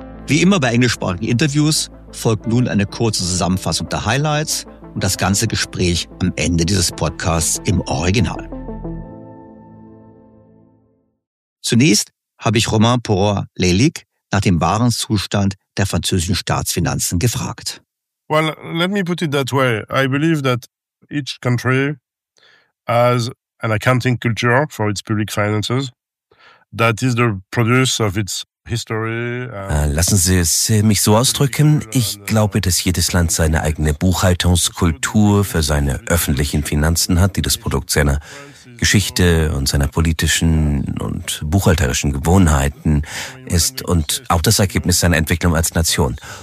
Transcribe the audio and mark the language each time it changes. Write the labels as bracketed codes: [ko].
[de] Wie immer bei englischsprachigen Interviews folgt nun eine kurze Zusammenfassung der Highlights und das ganze Gespräch am Ende dieses Podcasts im Original. Zunächst habe ich Romain Porot-Lalique nach dem wahren Zustand der französischen Staatsfinanzen gefragt. [en] Well, let me put it that way. I believe that each country has an accounting culture for its public finances that is the produce of its history. [de] Lassen Sie es mich so ausdrücken. Ich glaube, dass jedes Land seine eigene Buchhaltungskultur für seine öffentlichen Finanzen hat, die das Produkt seiner Geschichte und seiner politischen und buchhalterischen Gewohnheiten ist und auch das Ergebnis seiner Entwicklung als Nation.